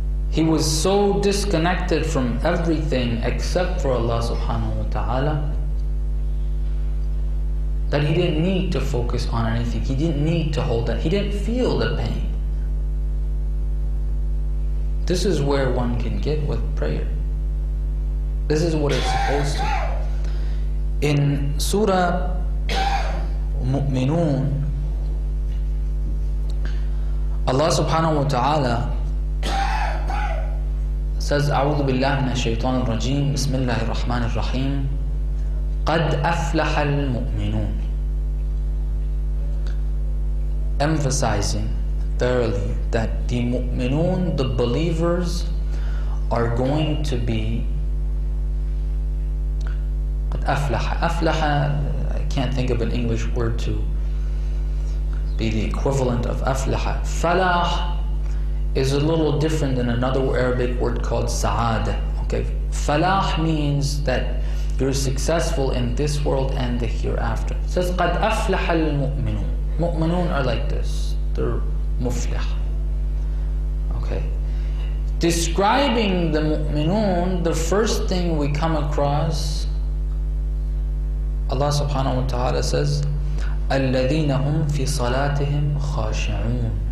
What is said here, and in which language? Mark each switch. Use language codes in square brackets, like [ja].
[en] He was so disconnected from everything except for Allah subhanahu wa ta'ala that he didn't need to focus on anything. He didn't need to hold that. He didn't feel the pain. This is where one can get with prayer. This is what it's supposed to. In Surah Mu'minun, Allah subhanahu wa ta'ala says, [ar] أعوذ بالله من الشيطان الرجيم بسم الله الرحمن الرحيم قد أفلح المؤمنون. [en] Emphasizing thoroughly that the mu'minun, the believers, are going to be [ar] قد أفلح. [en] أفلح, I can't think of an English word to be the equivalent of أفلح. فلاح is a little different than another Arabic word called سعادة. Okay, فلاح means that you're successful in this world and the hereafter. It says [ar] قد أفلح المؤمنون. [en] Mu'minun are like this, they're muflih. Okay. Describing the mu'minun, the first thing we come across, Allah subhanahu wa ta'ala says, [ar] الَّذِينَ هُمْ فِي صَلَاتِهِمْ خَاشِعُونَ.